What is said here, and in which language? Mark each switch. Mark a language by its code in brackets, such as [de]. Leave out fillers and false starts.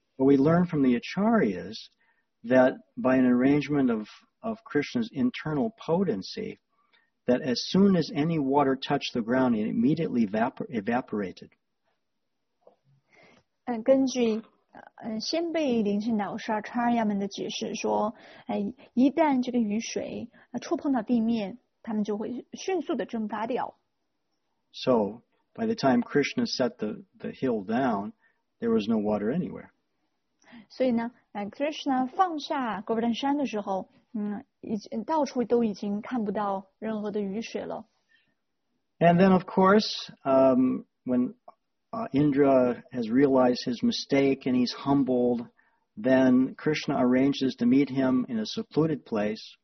[en] But we learn from the Acharyas that by an arrangement of Krishna's internal potency, that as soon as any water touched the ground, it immediately evaporated. [zh] 根据先辈灵性导师阿查亚们的解释说，一旦这个雨水触碰到地面，它们就会迅速的蒸发掉。 [en] So, by the time Krishna set the hill down, there was no water anywhere. [zh] 所以呢，Krishna放下戈贝丹山的时候， 已经到处都已经看不到任何的雨水了。 [en] And then, of course, when Indra has realized his mistake and he's humbled, then Krishna arranges to meet him in a secluded place.